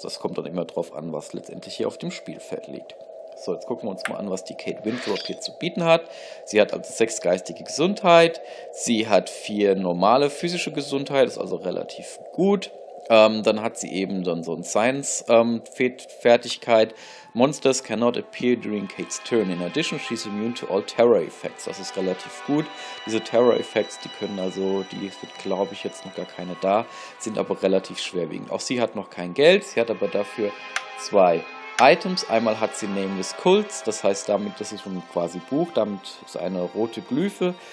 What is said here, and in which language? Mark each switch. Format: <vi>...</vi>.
<de>Das kommt dann immer drauf an, was letztendlich hier auf dem Spielfeld liegt. So, jetzt gucken wir uns mal an, was die Kate Winthrop hier zu bieten hat. Sie hat also 6 geistige Gesundheit, sie hat 4 normale physische Gesundheit, ist also relativ gut. Dann hat sie eben dann so eine Science-Fertigkeit.</de> <en>Monsters cannot appear during Kate's turn. In addition, she's immune to all terror effects.</en> <de>Das ist relativ gut. Diese terror effects, die können also, die sind glaube ich jetzt noch gar keine da, sind aber relativ schwerwiegend. Auch sie hat noch kein Geld, sie hat aber dafür 2 Items. Einmal hat sie Nameless Cults, das heißt damit, das ist schon quasi Buch, damit ist eine rote Glyphe.</de>